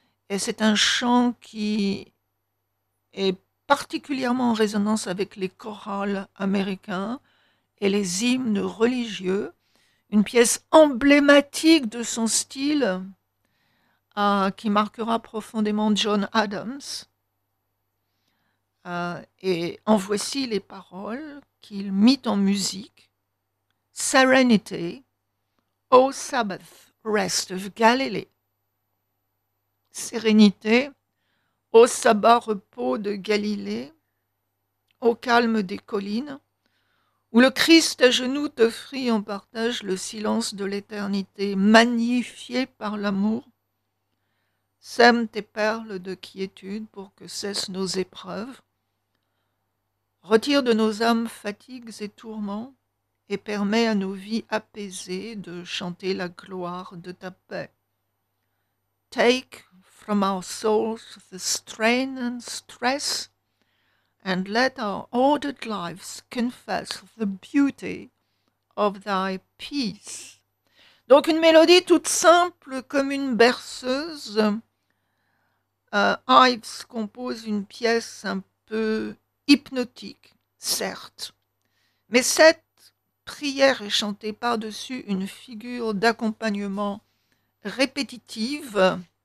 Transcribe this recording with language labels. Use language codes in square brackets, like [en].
[fr] Et c'est un chant qui est particulièrement en résonance avec les chorales américains et les hymnes religieux, une pièce emblématique de son style qui marquera profondément John Adams. Et en voici les paroles qu'il mit en musique. [en] Serenity, O Sabbath, rest of Galilee. [fr] Sérénité, au sabbat, repos de Galilée, au calme des collines, où le Christ à genoux t'offrit en partage le silence de l'éternité, magnifié par l'amour. Sème tes perles de quiétude pour que cessent nos épreuves. Retire de nos âmes fatigues et tourments et permet à nos vies apaisées de chanter la gloire de ta paix. [en] Take from our souls the strain and stress, and let our ordered lives confess the beauty of thy peace. [fr] Donc une mélodie toute simple comme une berceuse. Ives compose une pièce un peu hypnotique, certes, mais cette prière est chantée par-dessus une figure d'accompagnement répétitive.